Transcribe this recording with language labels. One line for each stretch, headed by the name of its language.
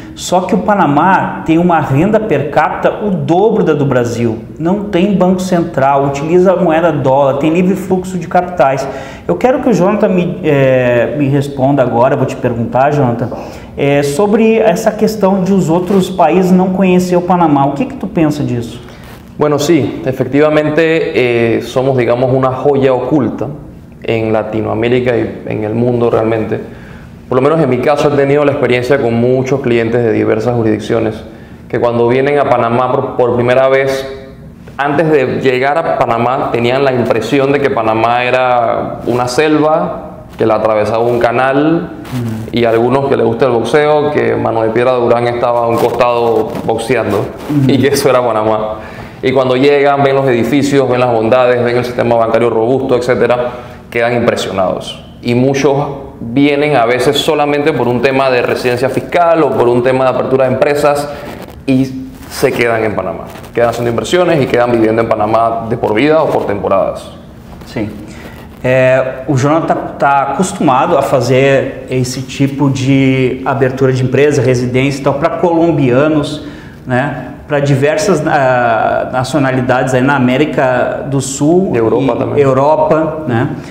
Portuguese: Só que o Panamá tem uma renda per capita o dobro da do Brasil. Não tem banco central, utiliza a moeda dólar, tem livre fluxo de capitais. Eu quero que o Jonathan me responda agora, vou te perguntar, Jonathan, sobre essa questão de os outros países não conhecer o Panamá. O que que tu pensa disso?
Spanish: Bueno, sí, efectivamente somos, digamos, una joya oculta en Latinoamérica y en el mundo realmente. Por lo menos en mi caso he tenido la experiencia con muchos clientes de diversas jurisdicciones que cuando vienen a Panamá por primera vez, antes de llegar a Panamá, tenían la impresión de que Panamá era una selva que la atravesaba un canal y algunos que les gusta el boxeo, que Mano de Piedra Durán estaba a un costado boxeando y que eso era Panamá. Y cuando llegan, ven los edificios, ven las bondades, ven el sistema bancario robusto, etcétera, quedan impresionados. Y muchos vienen a veces solamente por un tema de residencia fiscal o por un tema de apertura de empresas y se quedan en Panamá. Quedan haciendo inversiones y quedan viviendo en Panamá de por vida o por temporadas. Sí.
Portuguese: O Jonathan está acostumado a fazer esse tipo de abertura de empresa, residência e tal, para colombianos, né? Para diversas nacionalidades aí na América do Sul, Europa, e também. Europa, né?